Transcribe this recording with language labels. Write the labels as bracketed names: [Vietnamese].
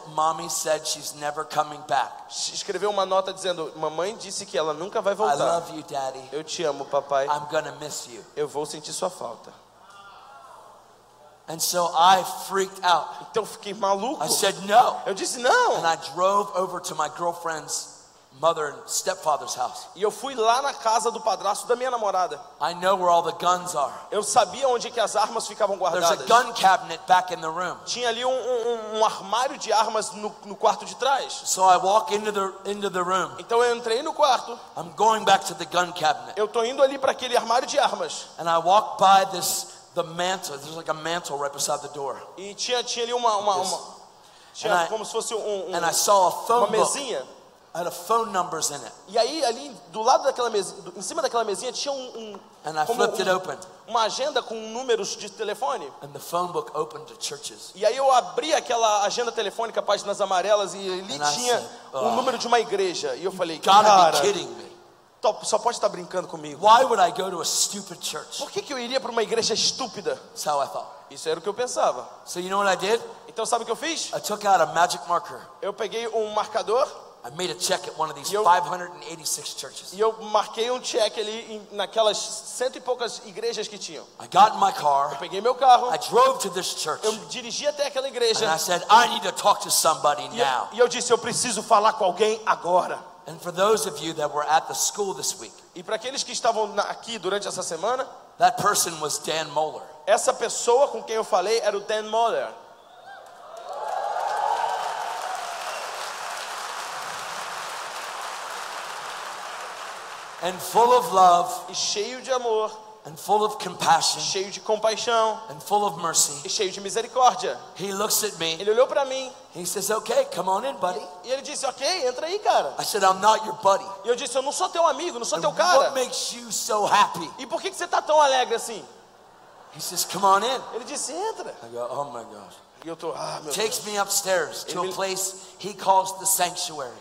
[English] Mommy said she's never coming back. [Portuguese] Escreveu uma nota dizendo: "Mamãe disse que ela nunca vai voltar." [English] I love you, Daddy. [Portuguese] Eu te amo, papai. [English] I'm gonna miss you. [Portuguese] Eu vou sentir sua falta. [English] And so I freaked out. [Portuguese] Então eu fiquei maluco. [English] I said no. [Portuguese] Eu disse não. [English] And I drove over to my girlfriend's mother and stepfather's house. [Portuguese] E eu fui lá na casa do padrasto da minha namorada. [English] I know where all the guns are. [Portuguese] Eu sabia onde que as armas ficavam guardadas. [English] There's a gun cabinet back in the room. [Portuguese] Tinha ali um armário de armas no quarto de trás. [English] So I walk into the room. [Portuguese] Então eu entrei no quarto. [English] I'm going back to the gun cabinet. [Portuguese] Eu tô indo ali para aquele armário de armas. [English] And I walk by this the mantle. There's like a mantle right beside the door. [Portuguese] E tinha ali uma tinha como se fosse [English] and I saw a phone [Portuguese] uma mesinha. [English] Book. Had a phone numbers in it. [Portuguese] E aí ali do lado daquela mesa, em cima daquela mesinha tinha [English] and I flipped it open. [Portuguese] Uma agenda com números de telefone. [English] And the phone book opened to churches. [Portuguese] E aí eu abri aquela agenda telefônica, páginas amarelas, e ali [English] and [Portuguese] tinha [English] said, [Portuguese] um número de uma igreja. E eu falei, [English] gotta [Portuguese] cara, [English] be kidding me. [Portuguese] Só pode estar brincando comigo. [English] Why would I go to a stupid church? [Portuguese] Por que eu iria para uma igreja estúpida? [English] That's how I thought. [Portuguese] Isso era o que eu pensava. [English] So you know what I did? [Portuguese] Então sabe o que eu fiz? [English] I took out a magic marker. [Portuguese] Eu peguei um marcador. [English] I made a check at one of these 586 churches. [Portuguese] E eu marquei check ali naquelas cento e poucas igrejas que tinham. [English] I got in my car. [Portuguese] Eu peguei meu carro. [English] I drove to this church. [Portuguese] Eu dirigi até aquela igreja. [English] And I said, I need to talk to somebody now. [Portuguese] E eu disse, eu preciso falar com alguém agora. [English] And for those of you that were at the school this week. [Portuguese] E para aqueles que estavam aqui durante essa semana. [English] That person was Dan Moeller. [Portuguese] Essa pessoa com quem eu falei era o Dan Moeller. [English] And full of love, [Portuguese] e cheio de amor, [English] and full of compassion, [Portuguese] cheio de compaixão, [English] and full of mercy, [Portuguese] e cheio de misericórdia. [English] He looks at me. [Portuguese] Ele olhou para mim. [English] He says, "Okay, come on in, buddy." [Portuguese] E ele disse, "Ok, entra aí, cara." [English] I said, "I'm not your buddy." [Portuguese] E eu disse, "Eu não sou teu amigo, não sou teu cara." [English] What makes you so happy? [Portuguese] E por que você tá tão alegre assim? [English] He says, "Come on in." [Portuguese] Ele disse, "Entra." [English] I go, "Oh my gosh." Takes me upstairs to a place he calls the sanctuary.